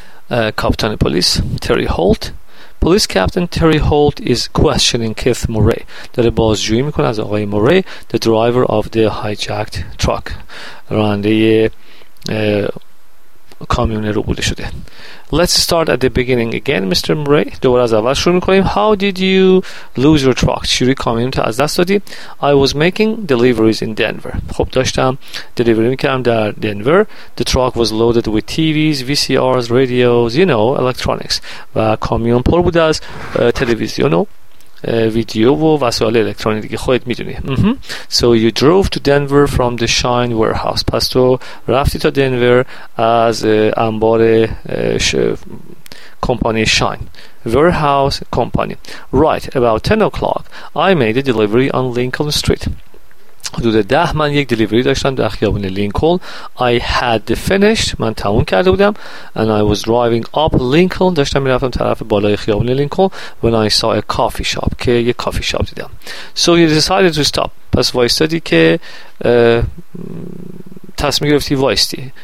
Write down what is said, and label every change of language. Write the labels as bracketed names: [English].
[Persian] کاپیتان پلیس تری هولت پلیس کاپیتان تری هولت [English] is questioning Keith Murray [Persian] داره بازجویی میکنه از آقای موری [English] the driver of the hijacked truck [Persian] راننده کامیون رو بوده شده. [English] Let's start at the beginning again, Mr. Murray. [Persian] دوباره از اول شروع میکنیم. [English] How did you lose your truck? [Persian] چوری کامیون تو از دست دادی؟ [English] I was making deliveries in Denver. [Persian] خب داشتم دلیوری میکردم در دنور. [English] The truck was loaded with TVs, VCRs, radios, you know, electronics. [Persian] و کامیون پر بود از تلویزیون و ویدیو و وسایل الکترونیکی که خودت میدونی. [English] So you drove to Denver from the Shine warehouse. [Persian] پس تو رفتی تا دنور از انبار کمپانی Shine warehouse company. [English] Right about 10 o'clock I made a delivery on Lincoln Street. [Persian] حدود 10 من یک دلیوری داشتم در خیابون لینکلن. [English] I had finished [Persian] من تموم کرده بودم [English] and I was driving up Lincoln [Persian] داشتم میرفتم طرف بالای خیابون لینکلن [English] when I saw a coffee shop [Persian] که یک کافی شاپ دیدم. [English] So you decided to stop [Persian] پس وایستادی که تصمیم گرفتی وایستی.